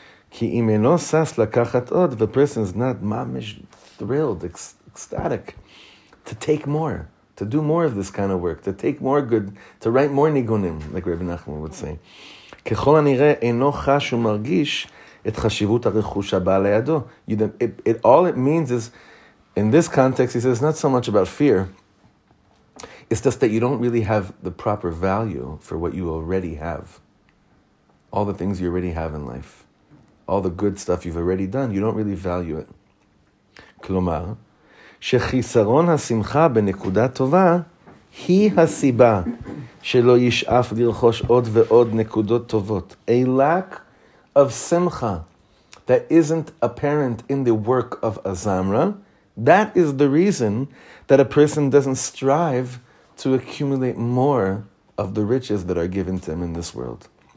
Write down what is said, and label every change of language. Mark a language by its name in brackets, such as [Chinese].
[Hebrew] כי אם אינו סס לקחת עוד, [English] the person is not [Hebrew] ממש [English] thrilled, ecstatic, to take more. To do more of this kind of work, to take more good, to write more nigunim, like Rabbi Nachman would say. [Hebrew] ככל הנראה אינו חש ומרגיש את חשיבות הרכוש הבא לידו. [English] All it means is, in this context, he says, it's not so much about fear. It's just that you don't really have the proper value for what you already have. All the things you already have in life. All the good stuff you've already done, you don't really value it. [Hebrew] כלומר, שחיסרון השמחה בנקודה טובה היא הסיבה שלא ישאף לרחוש עוד ועוד נקודות טובות. [English] A lack of simcha that isn't apparent in the work of Azamra, that is the reason that a person doesn't strive to accumulate more of the riches that are given to him in this world.